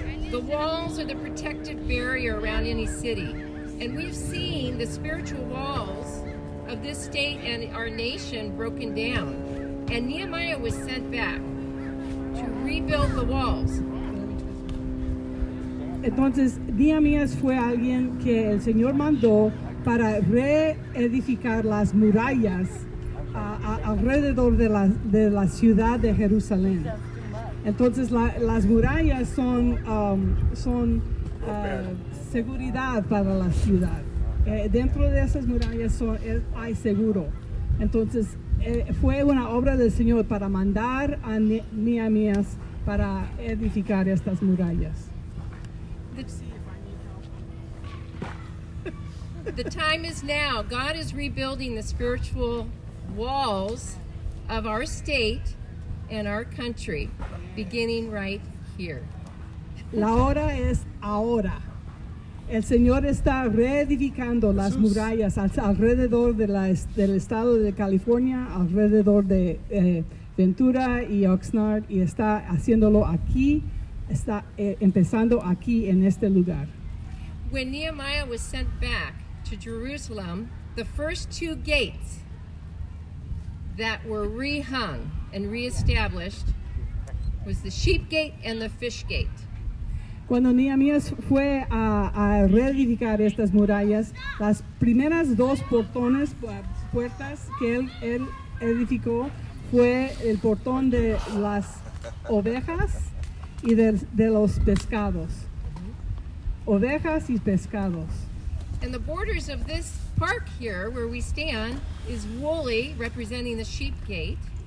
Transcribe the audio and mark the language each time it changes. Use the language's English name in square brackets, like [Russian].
[English] The walls are the protective barrier around any city. And we've seen the spiritual walls of this state and our nation broken down. And Nehemiah was sent back to rebuild the walls. [Spanish] Entonces, Nehemías fue alguien que el Señor mandó para reedificar las murallas alrededor de la ciudad de Jerusalén. Entonces, las murallas son seguridad para la ciudad. Dentro de esas murallas hay seguro. Entonces, fue una obra del Señor para mandar a Nehemías para edificar estas murallas. [English] The time is now. God is rebuilding the spiritual walls of our state and our country, beginning right here. [Spanish] La hora es ahora. El Señor está reedificando las murallas alrededor del estado de California, alrededor de Ventura y Oxnard, y está haciéndolo aquí, está empezando aquí en este lugar. [English] When Nehemiah was sent back to Jerusalem, the first two gates, that were rehung and reestablished was the Sheep Gate and the Fish Gate. [Spanish] Cuando Nehemías fue a reedificar estas murallas, las primeras dos portones, puertas que él edificó fue el portón de las ovejas y de los pescados. Ovejas y pescados. [English] And the borders of this park here, where we stand, is woolly, representing the sheep gate.